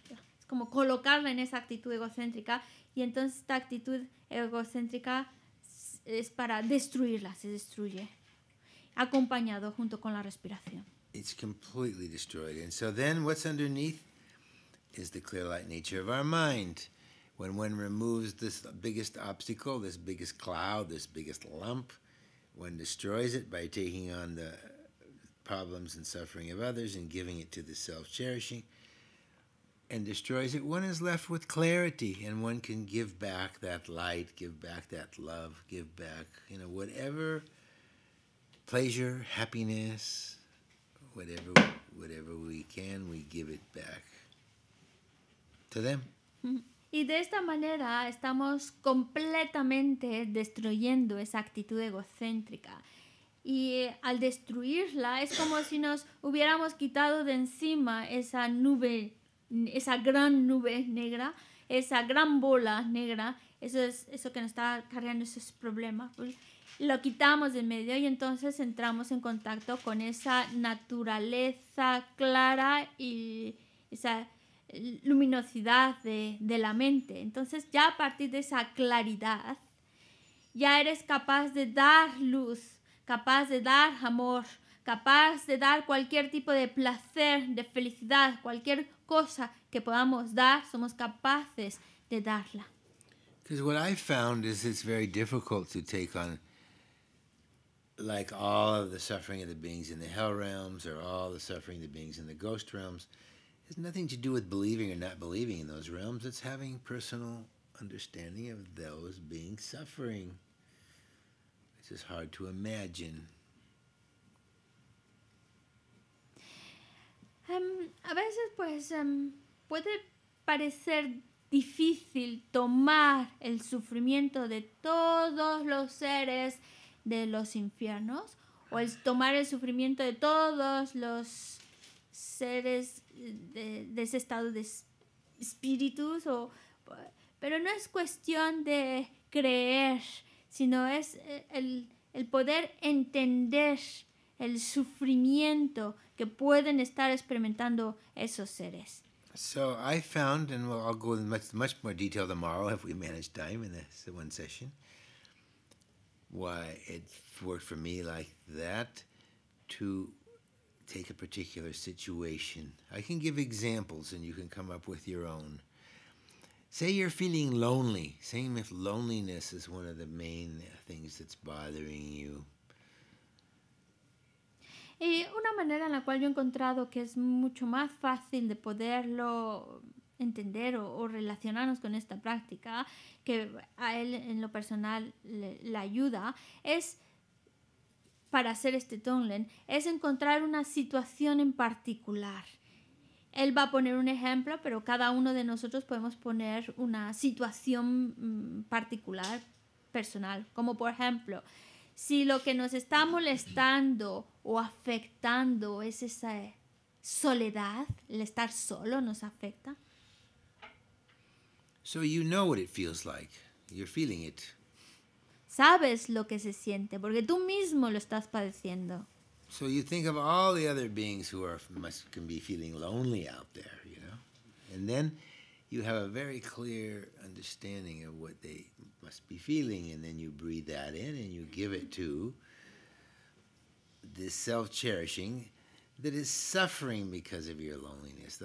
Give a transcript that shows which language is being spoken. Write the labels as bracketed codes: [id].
[es] Es como colocarla en esa actitud egocéntrica, y entonces esta actitud egocéntrica es para destruirla, se destruye acompañado junto con la respiración. [en] It's completely destroyed. And so then what's underneath is the clear light nature of our mind. When one removes this biggest obstacle, this biggest cloud, this biggest lump, one destroys it by taking on the problems and suffering of others and giving it to the self-cherishing, and destroys it, one is left with clarity, and one can give back that light, give back that love, give back, you know, whatever pleasure, happiness, whatever we can, we give it back to them. [es] Y de esta manera estamos completamente destruyendo esa actitud egocéntrica. Y al destruirla es como si nos hubiéramos quitado de encima esa nube, esa gran nube negra, esa gran bola negra, eso es eso que nos está cargando esos problemas. Lo quitamos de medio y entonces entramos en contacto con esa naturaleza clara y esa luminosidad de la mente. Entonces ya a partir de esa claridad ya eres capaz de dar luz, capaz de dar amor, capaz de dar cualquier tipo de placer, de felicidad, cualquier cosa que podamos dar, somos capaces de darla. [en] Because what I found is it's very difficult to take on like all of the suffering of the beings in the hell realms or all the suffering of the beings in the ghost realms. It has nothing to do with believing or not believing in those realms. It's having personal understanding of those beings suffering. It's just hard to imagine. [es] A veces, pues, puede parecer difícil tomar el sufrimiento de todos los seres de los infiernos, o el tomar el sufrimiento de todos los seres de ese estado de espíritus, pero no es cuestión de creer, sino es el poder entender el sufrimiento que pueden estar experimentando esos seres. [en] So I found, and I'll go in much, much more detail tomorrow if we manage time in this one session, why it worked for me like that to take a particular situation. I can give examples and you can come up with your own. Say you're feeling lonely. Same if loneliness is one of the main things that's bothering you. [es] Y una manera en la cual yo he encontrado que es mucho más fácil de poderlo entender o relacionarnos con esta práctica, que a él en lo personal le ayuda, es para hacer este tonglen, es encontrar una situación en particular. Él va a poner un ejemplo, pero cada uno de nosotros podemos poner una situación particular, personal. Como por ejemplo, si lo que nos está molestando o afectando es esa soledad, el estar solo nos afecta. [en] So you know what it feels like. You're feeling it. [es] Sabes lo que se siente, porque tú mismo lo estás padeciendo. [en] So you think of all the other beings who are can be feeling lonely out there, you know? And then you have a very clear understanding of what they must be feeling, and then you breathe that in and you give it to this self-cherishing that is suffering because of your loneliness.